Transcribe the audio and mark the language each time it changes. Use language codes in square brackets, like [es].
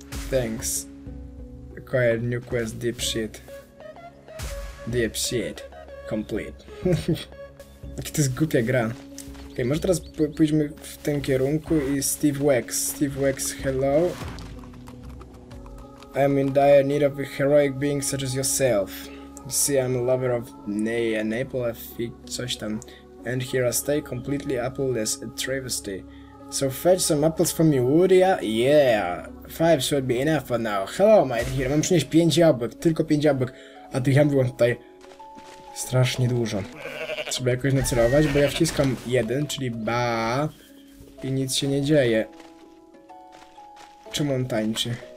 [en] Thanks. Acquired new quest Deep Shit. Deep Shit. Complete. [pl] Jaki to jest głupia gra. Okej, okay, może teraz pójdźmy w tym kierunku i Steve Wax. [en] Steve Wax, hello. I'm in dire need of a heroic being such as yourself. See, I'm a lover of Naples, [pl] coś tam. [en] And here I stay completely appleless, a travesty. So fetch some apples for me, would ya? Yeah, 5 should be enough for now. Hello, my dear. [pl] Mam przynieść 5 jabłek, tylko 5 jabłek. A tych jabłek mam tutaj strasznie dużo. Trzeba jakoś nacelować, bo ja wciskam 1, czyli ba, i nic się nie dzieje. Czemu on tańczy?